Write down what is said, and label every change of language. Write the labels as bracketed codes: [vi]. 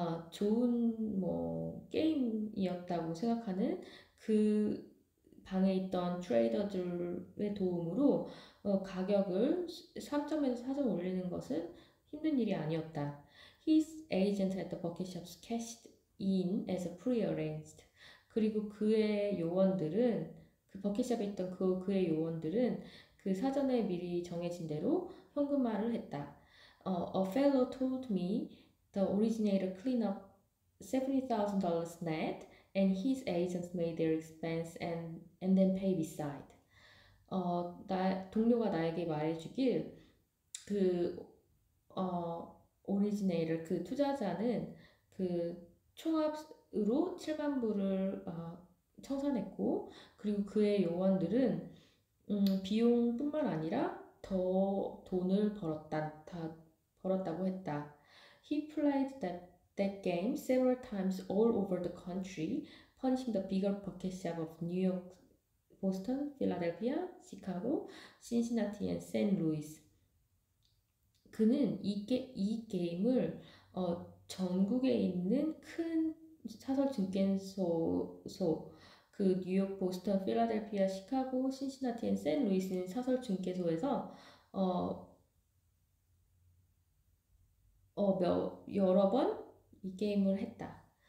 [ko] 좋은 뭐 게임이었다고 생각하는 그 방에 있던 트레이더들의 도움으로 가격을 3점에서 4점 올리는 것은 힘든 일이 아니었다. [en] His agent at the bucket shops cashed in as a pre-arranged. [ko] 그리고 그의 요원들은 그 버킷샵에 있던 그의 요원들은 그 사전에 미리 정해진 대로 현금화를 했다. [en] A fellow told me the originator clean up $70,000 net. And his agents made their expense and then pay beside. [ko] 동료가 나에게 말해주길, 오리지네이터, 그 투자자는 그 총합으로 7만 불을 청산했고, 그리고 그의 요원들은 비용뿐만 아니라 더 돈을 벌었다고 했다. [en] He played that game several times all over the country, punching the bigger pocket shop of New York, Boston, Philadelphia, Chicago, Cincinnati, and St. Louis. [ko] 그는 이 게임을 전국에 있는 큰 사설 증권소, 그 뉴욕, 보스턴, 필라델피아, 시카고, 신시나티, 앤 루이스 사설 증권소에서 여러 번 이 게임을 했다.